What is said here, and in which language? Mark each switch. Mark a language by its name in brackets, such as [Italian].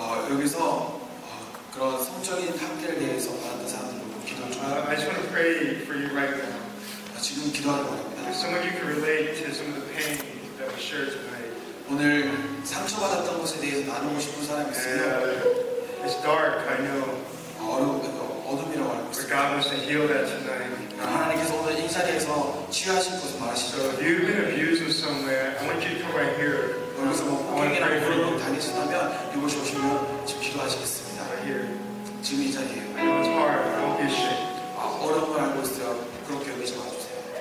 [Korean] 여기서 그런 성적인 상태를 위해서 바라는 사람들로 기도 [English] 좀 I just want to pray for you right now. [Korean] 지금 기도하는 겁니다. [English] Some of you can relate to some of the pain that was shared tonight. [Korean] 오늘 상처받았던 것에 대해서 나누고 싶은 사람 있어요? [English] It's dark, I know. [Korean] 어둠이라고 알고 있습니다. [English] God wants to heal that tonight. [Korean] 하나님께서 오늘 이 자리에서 치유하실 것을 말하시죠. [English] So if you've been abused in some way, I want you to come right here. [Korean] 여기서 뭐 폭행이나 그런 걸 당했다면 이곳에 오시면 지금 기도하시겠습니다. [English] Right here. [Korean] 지금 이 자리에요. [English] I know it's hard, don't be ashamed. [Korean] 어려운 걸 알고 있어요. 그렇게 여기서 와주세요.